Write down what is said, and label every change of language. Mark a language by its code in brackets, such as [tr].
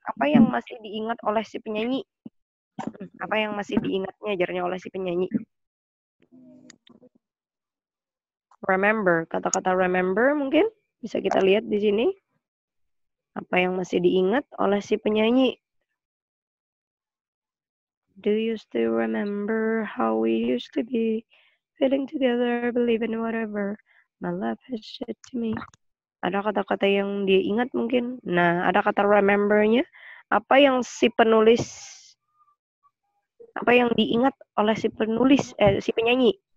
[id] Apa yang masih diingat oleh si penyanyi? Apa yang masih diingatnya ajarnya oleh si penyanyi? Remember, kata-kata remember mungkin bisa kita lihat di sini. Apa yang masih diingat oleh si penyanyi? [en] Do you still remember how we used to be? Feeling together, believe in whatever. My love has said to me. [id] Ada kata-kata yang dia ingat mungkin? Nah, ada kata remember-nya. Apa yang si penulis... apa yang diingat oleh si penulis, si penyanyi?